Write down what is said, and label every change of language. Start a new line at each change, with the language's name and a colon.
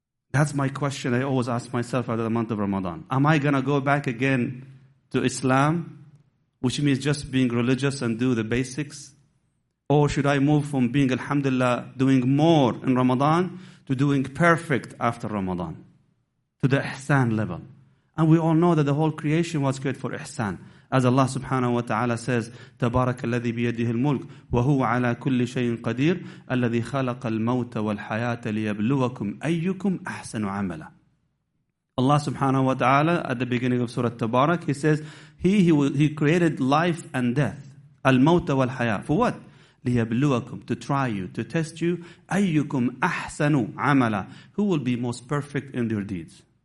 English: That's my question I always ask myself after the month of Ramadan. Am I going to go back again to Islam, which means just being religious and do the basics? Or should I move from being alhamdulillah, doing more in Ramadan, to doing perfect after Ramadan, to the ihsan level? And we all know that the whole creation was created for ihsan.
Arabic: As Allah subhanahu wa ta'ala says, تبارك الذي بيده الملك وهو على كل شيء قدير الذي خلق الموت والحياة ليبلوكم أيكم أحسن عملا.
English: Allah subhanahu wa ta'ala, at the beginning of Surah Tabarak, He says, He created life and death,
Arabic: al-mawta wal-haya.
English: For what?
Arabic: لِيَبْلُوَكُمْ,
English: to try you, to test you,
Arabic: أَيُّكُمْ أَحْسَنُ عَمَلًا,
English: who will be most perfect in their deeds.